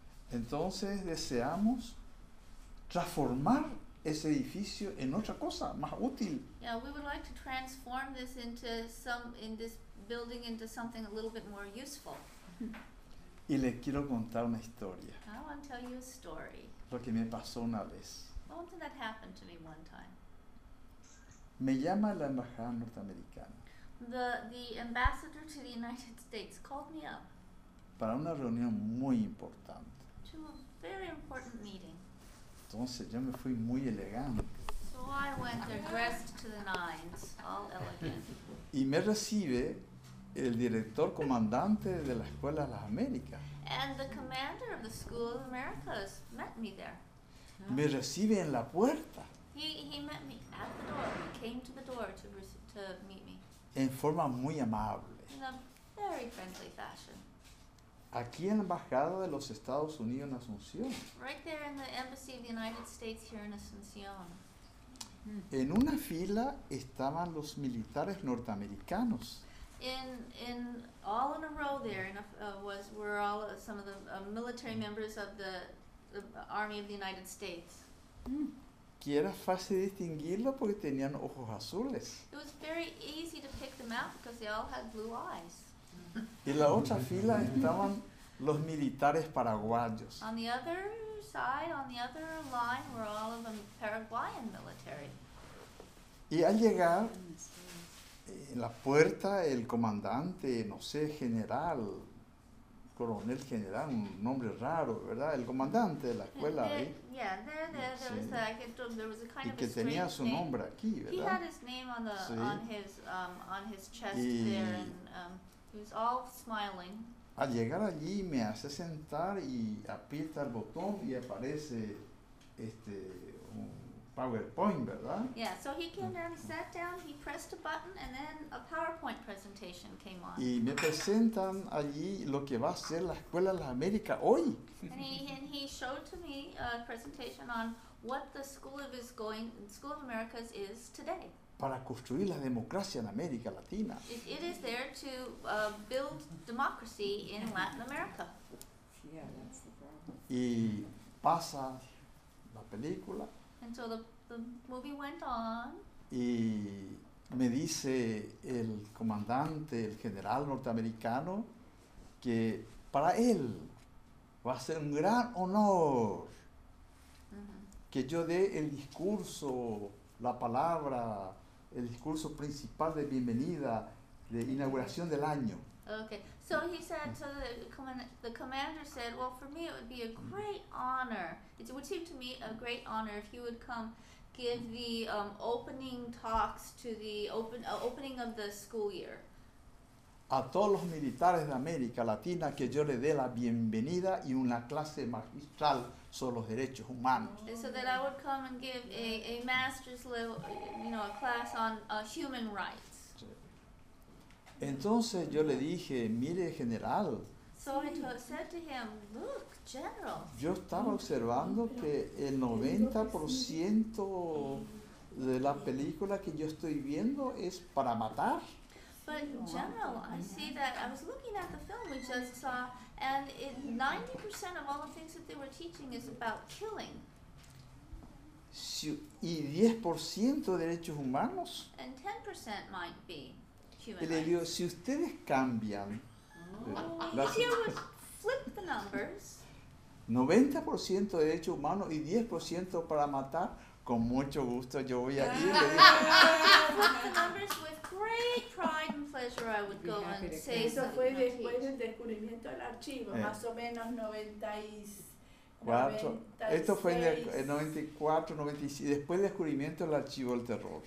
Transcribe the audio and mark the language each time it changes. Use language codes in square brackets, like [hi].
[es] Entonces deseamos transformar ese edificio en otra cosa más útil. [en] Yeah, we would like to transform this into some in this building into something a little bit more useful. [es] Y le quiero contar una historia. [en] I want to tell you a story. [es] Lo que me pasó una vez. [en] What did that happen to me one time? [es] Me llama la embajada norteamericana. [en] The ambassador to the United States called me up. [es] Para una reunión muy importante. [en] To a very important meeting. [es] Entonces yo me fui muy elegante. [en] So I went there dressed to the nines, all elegant. [es] Y me recibe el director comandante de la Escuela de las Américas. [en] And the commander of the School of Americas met me there. [es] Me recibe en la puerta. [en] He met me at the door. He came to the door to meet me. [es] En forma muy amable. [en] In a very friendly fashion. [es] Aquí en la embajada de los Estados Unidos en Asunción. [en] Right there in the embassy of the United States here in Asunción. [es] En una fila estaban los militares norteamericanos. [en] In all in a row there in a, was were all some of the military members of the Army of the United States. [es] Que era fácil distinguirlo porque tenían ojos azules. [en] It was very easy to pick them out because they all had blue eyes. [es] Y en la otra fila estaban los militares paraguayos. [en] On the other side, on the other line, were all of the Paraguayan military. [es] Y al llegar, en la puerta, el comandante, no sé, general, coronel general, un nombre raro, ¿verdad? El comandante de la escuela ahí. Sí. Y que tenía su nombre aquí, ¿verdad? [en] He had his name on the on his chest y there, and he was all smiling. [es] Al llegar allí, me hace sentar y aprieta el botón y aparece este un PowerPoint, ¿verdad? [en] Yeah, so he came down, he sat down, he pressed a button, and then a PowerPoint presentation came on. [es] Y me presentan allí lo que va a ser la Escuela de las Américas hoy. [en] And he showed to me a presentation on what the School of Americas is today. [es] Para construir la democracia en América Latina. [en] It is there to build democracy in Latin America. Yeah, that's the problem. [es] Y pasa la película. [en] And so the movie went on. [es] Y me dice el comandante, el general norteamericano, que para él va a ser un gran honor que yo dé el discurso, la palabra, el discurso principal de bienvenida, de inauguración del año. [en] Okay. So he said, so the commander said, well, for me it would be a great honor. It would seem to me a great honor if you would come give the opening talks to the opening of the school year. [es] A todos los militares de América Latina que yo le dé la bienvenida y una clase magistral sobre los derechos humanos. [en] And so that I would come and give a master's level, you know, a class on human rights. [es] Entonces yo le dije, mire, general. [en] So I said to him, look, general. [es] Yo estaba observando que el 90% de la película que yo estoy viendo es para matar. [en] But general, I see that I was looking at the film we just saw, and 90% of all the things that they were teaching is about killing. [es] Si, y 10% de derechos humanos. [en] And 10% might be. [es] Y le digo, si ustedes cambian, [en] if you would flip the numbers, [es] 90% de derechos humanos y 10% para matar, con mucho gusto yo voy a ir. [en] Flip the numbers, with great pride and pleasure I would go and say something. [es] Eso fue después del descubrimiento del archivo, más o menos 94. Esto fue en el 94, 95, después del descubrimiento del archivo del terror.